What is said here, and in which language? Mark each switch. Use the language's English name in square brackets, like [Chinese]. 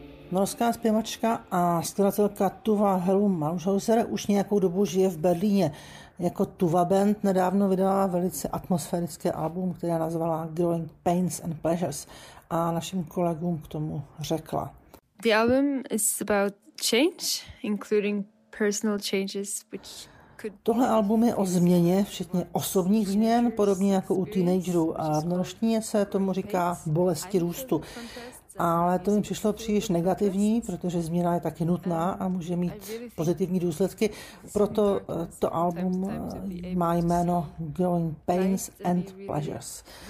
[Czech] Norská zpěvačka a skladatelka Tuva Helu Malmshauser už nějakou dobu žije v Berlíně. Jako Tuva Band nedávno vydala velice atmosférické album, které nazvala Growing Pains and Pleasures, a našim kolegům k tomu řekla. [English] The album is about change, including personal changes, which could... [Czech] Tohle album je o změně, včetně osobních změn, podobně jako u teenagerů. A v norštině se tomu říká bolesti růstu. Ale to mi přišlo příliš negativní, protože změna je taky nutná a může mít pozitivní důsledky. Proto to album má jméno Growing Pains and Pleasures.